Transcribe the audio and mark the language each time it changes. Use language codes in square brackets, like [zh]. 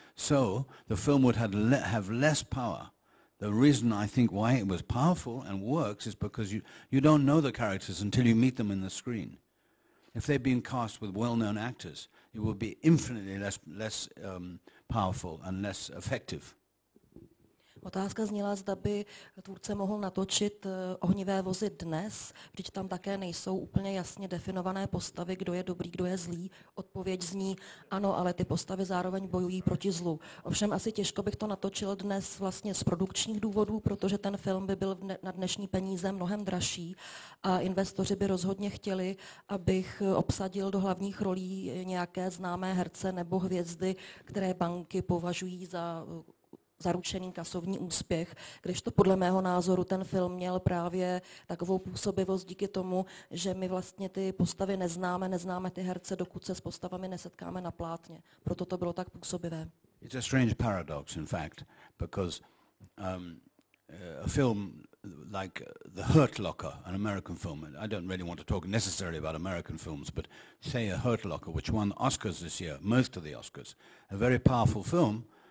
[en] So the film would have less power. The reason I think why it was powerful and works is because you don't know the characters until you meet them in the screen. If they'd been cast with well-known actors, it would be infinitely less powerful and less effective. [cs] Otázka zněla, zda by tvůrce mohl natočit Ohnivé vozy dnes, když tam také nejsou úplně jasně definované postavy, kdo je dobrý, kdo je zlý. Odpověď zní ano, ale ty postavy zároveň bojují proti zlu. Ovšem asi těžko bych to natočil dnes vlastně z produkčních důvodů, protože ten film by byl na dnešní peníze mnohem dražší a investoři by rozhodně chtěli, abych obsadil do hlavních rolí nějaké známé herce nebo hvězdy, které banky považují za zaručený kasovní úspěch, když to podle mého názoru ten film měl právě takovou působivost díky tomu, že my vlastně ty postavy neznáme ty herce, dokud se s postavami nesetkáme na plátně. Proto to bylo tak působivé. [en] It's a strange paradox, in fact, because a film like The Hurt Locker, an American film, and I don't really want to talk necessarily about American films, but say a Hurt Locker, which won Oscars this year, most of the Oscars, a very powerful film.